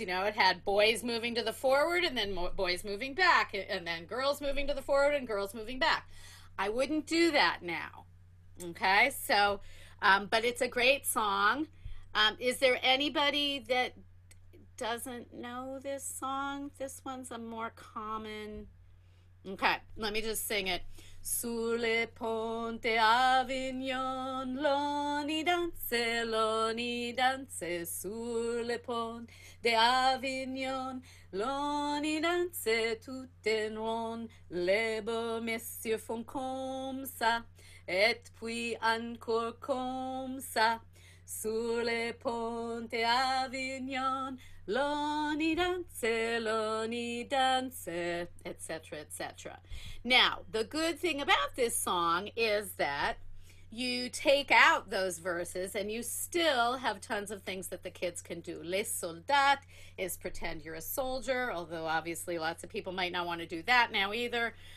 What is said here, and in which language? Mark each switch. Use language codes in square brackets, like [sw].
[en] You know, it had boys moving to the forward and then boys moving back and then girls moving to the forward and girls moving back. I wouldn't do that now. Okay. So, but it's a great song. Is there anybody that doesn't know this song? This one's a more common. Okay. Let me just sing it. [fr] Sur le pont d'Avignon, l'on y danse, sur le pont d'Avignon, l'on y danse, tout en rond, les beaux messieurs font comme ça, et puis encore comme ça, sur le pont d'Avignon, l'on y danse, etc., etc. [en] Now, the good thing about this song is that you take out those verses and you still have tons of things that the kids can do. Les soldats is pretend you're a soldier, although obviously lots of people might not want to do that now either.